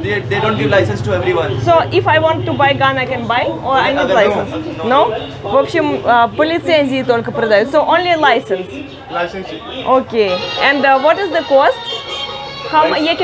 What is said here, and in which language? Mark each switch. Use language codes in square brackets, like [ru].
[en] They don't give license to everyone. So if I want to buy gun, I can buy? Or I need license? No? [ru] В общем, по лицензии только продают. [en] So only license? License. Okay. And what is the cost? How much?